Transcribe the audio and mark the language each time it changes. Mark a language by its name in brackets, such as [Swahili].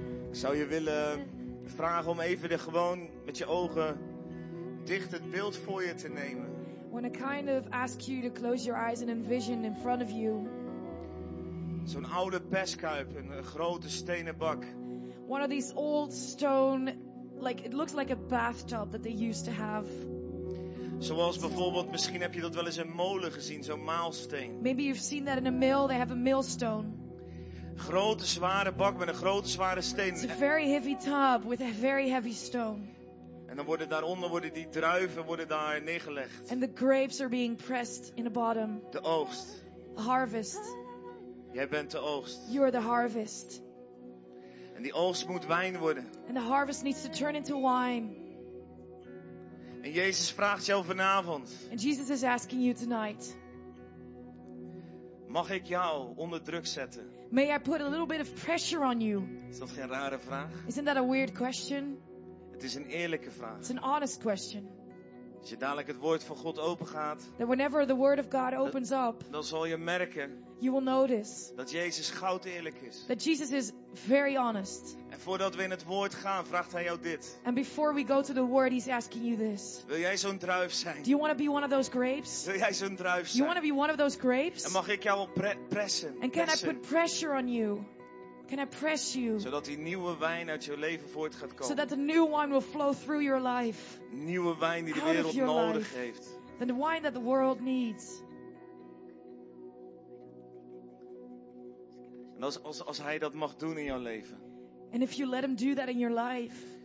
[Dutch] Ik zou je willen vragen om even de gewoon met je ogen dicht het beeld voor je te nemen. [English] When I kind of ask you to close your eyes and envision in front of you. [Dutch] Zo'n oude perskuip, een grote stenen bak. [English] One of these old stone, like it looks like a bathtub that they used to have. [Dutch] Zoals bijvoorbeeld, misschien heb je dat wel eens in molen gezien, zo'n maalsteen. [English] Maybe you've seen that in a mill, they have a millstone. [Dutch] Grote zware bak met een grote zware steen. [English] It's a very heavy tub with a very heavy stone. [Dutch] En dan worden daaronder worden die druiven worden daar neergelegd. [English] And the grapes are being pressed in the bottom. [Dutch] De oogst. [English] The harvest. [Dutch] Jij bent de oogst. [English] You are the harvest. [Dutch] En die oogst moet wijn worden. [English] And the harvest needs to turn into wine. [Dutch] En Jezus vraagt jou vanavond. [English] And Jesus is asking you tonight. [Dutch] Mag ik jou onder druk zetten? [English] May I put a little bit of pressure on you? [Dutch] Is dat geen rare vraag? [English] Isn't that a weird question? [Dutch] Het is een eerlijke vraag. [English] It's an honest question. [Dutch] Als je dadelijk het woord van God opengaat. [English] That whenever the word of God opens up. [Dutch] Dan zal je merken. [English] You will notice. [Dutch] Dat Jezus goud eerlijk is. [English] That Jesus is very honest. [Dutch] En voordat we in het woord gaan, vraagt hij jou dit. [English] And before we go to the word, he's asking you this. [Dutch] Wil jij zo'n druif zijn? [English] Do you want to be one of those grapes? [Dutch] Wil jij zo'n druif zijn? [English] You want to be one of those grapes? [Dutch] En mag ik jou pressen? [English] And can I put pressure on you? Can I press you? [Dutch] Zodat die nieuwe wijn uit jouw leven voort gaat komen. [English] So that the new wine will flow through your life. [Dutch] Nieuwe wijn die de wereld nodig heeft. [English] The wine that the world needs. [Dutch] En als hij dat mag doen in jouw leven. [English] And if you let him do that in your life.